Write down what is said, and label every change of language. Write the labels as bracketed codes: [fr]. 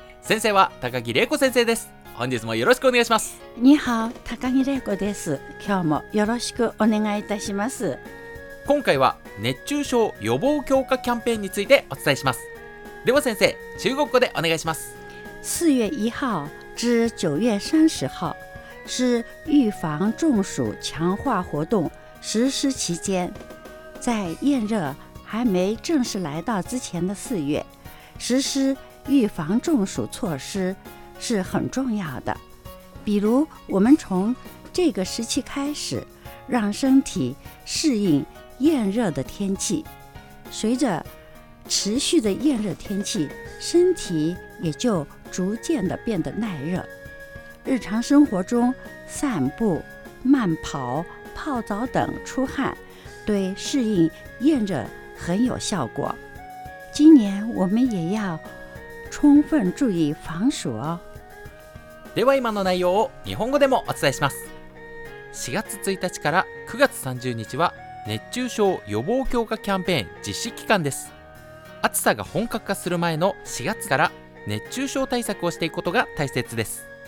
[ja] 先生は高木玲子先生です。本日もよろしくお願いします。ニハオ、高木玲子です。今日もよろしくお願いいたします。今回は熱中症予防強化キャンペーンについてお伝えします。では先生、中国語でお願いします。 [zh] 4月1号至9月30号是预防中暑强化活动实施期间，在炎热还没正式来到之前的四月，实施预防中暑措施是很重要的。比如，我们从这个时期开始，让身体适应炎热的天气。随着持续的炎热天气，身体也就逐渐地变得耐热。日常生活中，散步、慢跑、泡澡等出汗，对适应炎热很有效果。今年我们也要充分注意防暑哦。 [ja] では今の内容を日本語でもお伝えします。4月1日から9月30日は熱中症予防強化キャンペーン実施期間です。暑さが本格化する前の4月から熱中症対策をしていくことが大切です。